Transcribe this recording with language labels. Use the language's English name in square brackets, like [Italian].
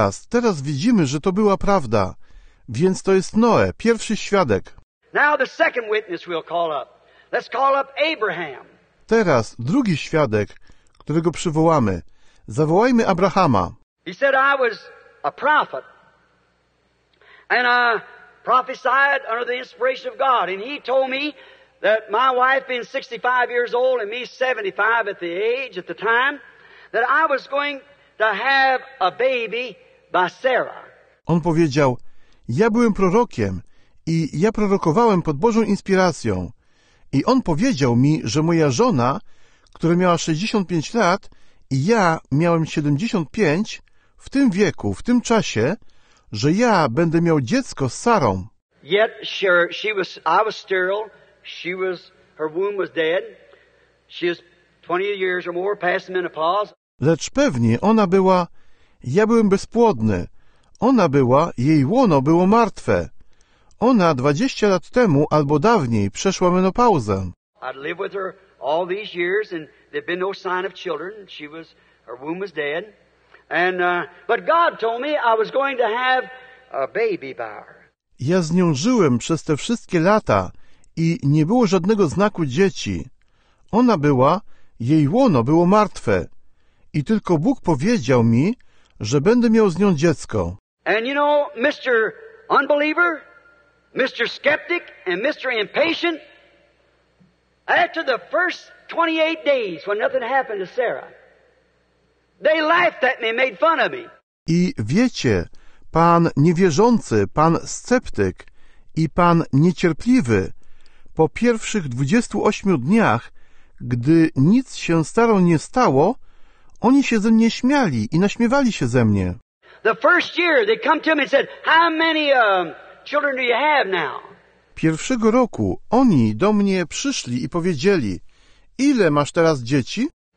[Polish] Teraz widzimy, że to była prawda. Więc to jest Noe, pierwszy świadek. [English] Now the second witness we'll call up. Let's call up Abraham. [Polish] Teraz drugi świadek, którego przywołamy. Zawołajmy Abrahama. [English] He said I was a prophet. And I prophesied under the inspiration of God. And he told me that my wife being 65 years old and me 75 at the age, at the time, that I was going to have a baby by Sarah. [Polish] On powiedział, ja byłem prorokiem i ja prorokowałem pod Bożą inspiracją. I on powiedział mi, że moja żona, która miała 65 lat i ja miałem 75, w tym wieku, w tym czasie, że ja będę miał dziecko z Sarą. [English] Yet sure, I was sterile, her womb was dead, she was 20 years or more past menopause. [Polish] Lecz pewnie ona była, ja byłem bezpłodny, ona była, jej łono było martwe. Ona 20 lat temu albo dawniej przeszła menopauzę. [English] I'd live with her all these years and there'd been no sign of children. She was, her womb was dead. But God told me I was going to have a baby by her. [Polish] Ja z nią żyłem przez te wszystkie lata i nie było żadnego znaku dzieci. Ona była, jej łono było martwe. I tylko Bóg powiedział mi, że będę miał z nią dziecko. [English] And you know, Mr. Unbeliever, Mr. Skeptic and Mr. Impatient, after the first 28 days when nothing happened to Sarah, they laughed at me, made fun of me. [Polish] I wiecie, pan niewierzący, pan sceptyk i pan niecierpliwy, po pierwszych 28 dniach, gdy nic się staro nie stało, oni się ze mnie śmiali i naśmiewali się ze mnie. [English] The first year they come to me and said, how many children do you have now? [Polish] Pierwszego roku oni do mnie przyszli i powiedzieli, ile masz teraz dzieci?